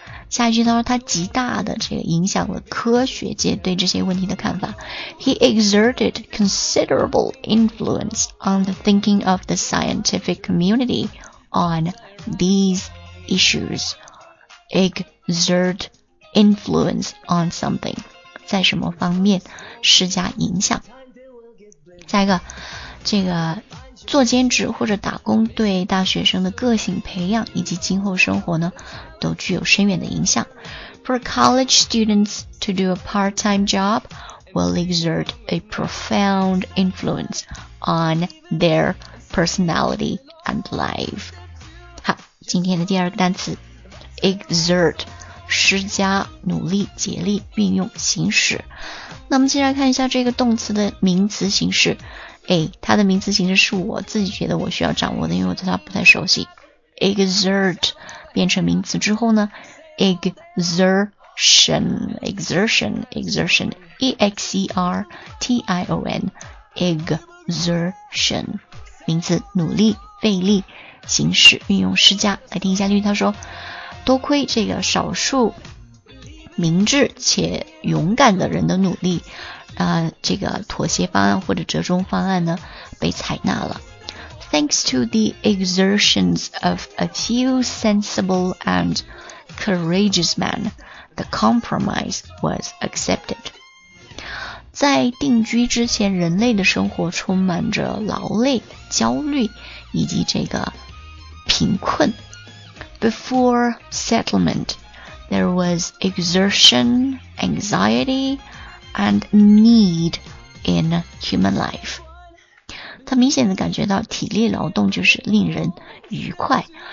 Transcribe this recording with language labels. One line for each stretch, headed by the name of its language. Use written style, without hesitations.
Chinese: 下一句他说他极大的这个影响了科学界对这些问题的看法。
English: He exerted considerable influence on the thinking of the scientific community on these issues. Exert influence on something.
Chinese: 在什么方面施加影响。再一个，这个做兼职或者打工对大学生的个性培养以及今后生活呢，都具有深远的影响。
English: For college students to do a part-time job will exert a profound influence on their personality and life.
Chinese: 好，今天的第二个单词 exert， 施加努力，竭力运用行使。那么接下来看一下这个动词的名词形式。哎，它的名词形式是我自己觉得我需要掌握的，因为我对它不太熟悉。 Exert 变成名词之后呢 ，exertion， E-X-E-R-T-I-O-N， exertion， 名词，努力、费力、行使、运用、施加。来听一下例句，他说：多亏这个少数明智且勇敢的人的努力。这个妥协方案或者折中方案呢被采纳了。
English: Thanks to the exertions of a few sensible and courageous men, the compromise was accepted.
Chinese: 在定居之前，人类的生活充满着劳累、焦虑以及这个贫困。
English: Before settlement, there was exertion, anxiety,and need in human life.
Chinese: 他明显地感觉到体力劳动就是令人愉快。